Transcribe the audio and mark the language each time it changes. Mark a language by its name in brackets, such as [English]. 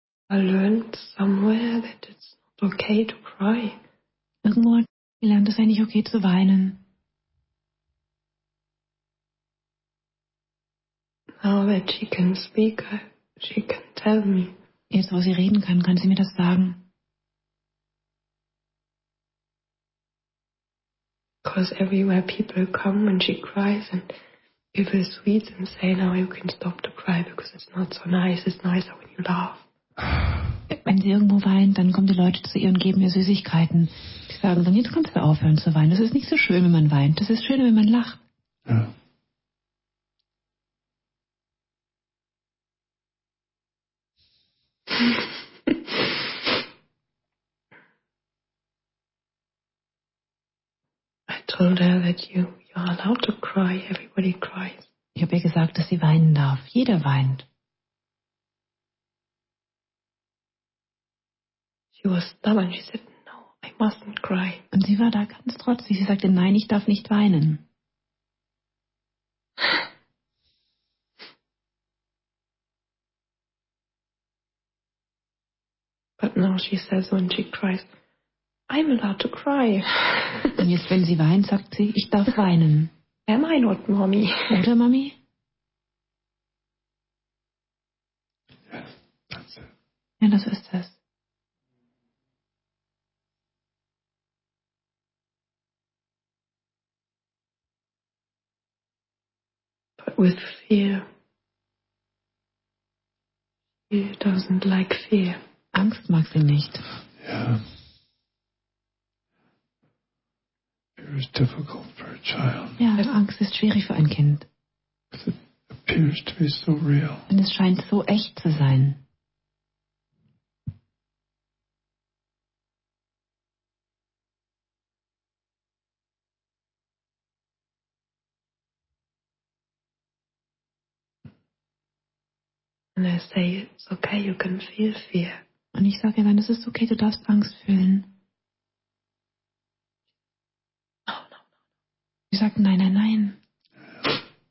[English] I learned somewhere that it's not okay to cry. [German] Irgendwo habe ich gelernt, dass es nicht okay zu weinen. [English] Now that she can speak, she can tell me. [German] Jetzt, wo sie reden kann, kann sie mir das sagen. [English] Because everywhere people come when she cries and give her sweets and say, now you can stop to cry because it's not so nice. It's nicer when you laugh. [German] Wenn sie irgendwo weint, dann kommen die Leute zu ihr und geben ihr Süßigkeiten. Sie sagen dann, jetzt kannst du aufhören zu weinen. Das ist nicht so schön, wenn man weint. Das ist schöner, wenn man lacht. Ja. [English] I told her that you You're allowed to cry. Everybody cries. [German] Ich habe ihr gesagt, dass sie weinen darf. Jeder weint. [English] She was stubborn. She said, no, I mustn't cry. [German] Und sie war da ganz trotzig. Sie sagte, nein, ich darf nicht weinen. [English] But now she says, when she cries, I'm allowed to cry. [German] Und jetzt, wenn sie weint, sagt sie, ich darf weinen. [English] Am I not, Mommy? [German] Oder, Mommy? [English] Yes, that's it. [German] Ja, das ist es. [English] But with fear. She doesn't like fear. [German] Angst mag sie nicht. [English] Yeah. Fear is difficult for a child. [German] Ja, Angst ist schwierig für ein Kind. [English] It appears to be so real. [German] Und es scheint so echt zu sein. [English] And I say, it's okay, you can feel fear. [German] Und ich sage ihr dann, es ist okay, du darfst Angst fühlen. Sie sagt, nein, nein, nein.